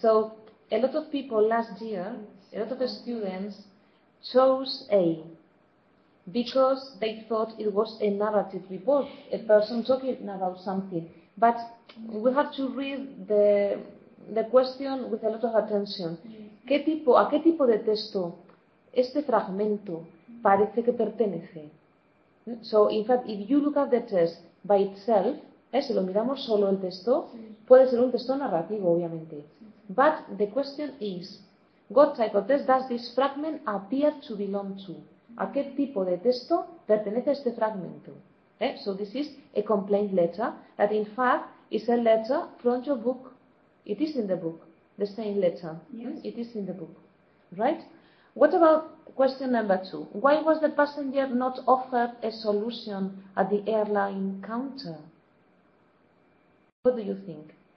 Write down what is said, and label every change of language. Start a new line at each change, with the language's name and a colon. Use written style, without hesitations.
English: So a lot of people last year, yes, a lot of students chose A, because they thought it was a narrative report, a person talking about something. But we have to read the question with a lot of attention.
Spanish: ¿Qué tipo, a qué tipo de texto este fragmento parece que pertenece?
English: So, in fact, if you look at the text by itself,
Spanish: si lo miramos solo el texto, puede ser un texto narrativo, obviamente.
English: But the question is, what type of text does this fragment appear to belong to?
Spanish: ¿A qué tipo de texto pertenece este fragmento?
English: So this is a complaint letter that in fact is a letter from your book. It is in the book, the same letter. Yes. It is in the book, right? What about question number 2? Why was the passenger not offered a solution at the airline counter? What do you think?